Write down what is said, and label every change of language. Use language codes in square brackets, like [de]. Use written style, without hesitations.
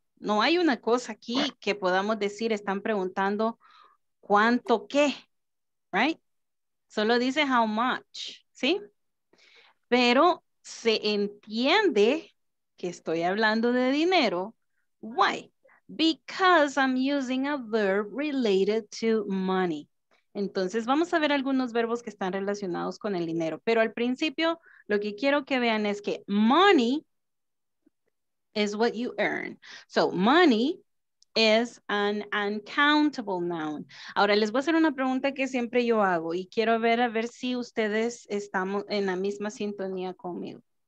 [es] No hay una cosa aquí que podamos decir, están preguntando cuánto qué, right? Solo dice how much, ¿sí? Pero se entiende que estoy hablando de dinero. [en] Why? Because I'm using a verb related to money. [es] Entonces, vamos a ver algunos verbos que están relacionados con el dinero. Pero al principio, lo que quiero que vean es que [en] money is what you earn. So, money is an uncountable noun. [es] Ahora, les voy a hacer una pregunta que siempre yo hago y quiero ver a ver si ustedes estamos en la misma sintonía conmigo.